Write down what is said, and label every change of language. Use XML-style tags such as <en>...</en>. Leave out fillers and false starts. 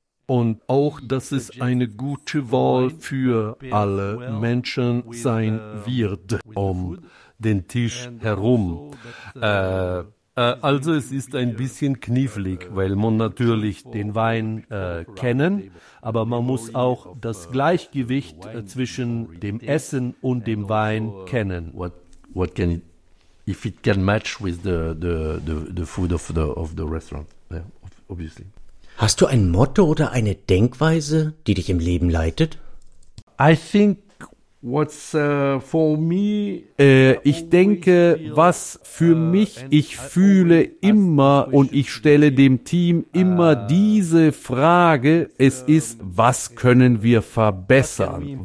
<de>Und auch, dass es eine gute Wahl für alle Menschen sein wird, um den Tisch herum. Also es ist ein bisschen knifflig, weil man natürlich den Wein kennen, aber man muss auch das Gleichgewicht zwischen dem Essen und dem Wein kennen.</de> <en>What can it, if it can match with the food of the restaurant, yeah, obviously.</en> <de>Hast du ein Motto oder eine Denkweise, die dich im Leben leitet?</de> <en>I think</en> <de>Ich denke, was für mich ich fühle immer und ich stelle dem Team immer diese Frage, es ist, was können wir verbessern?</de>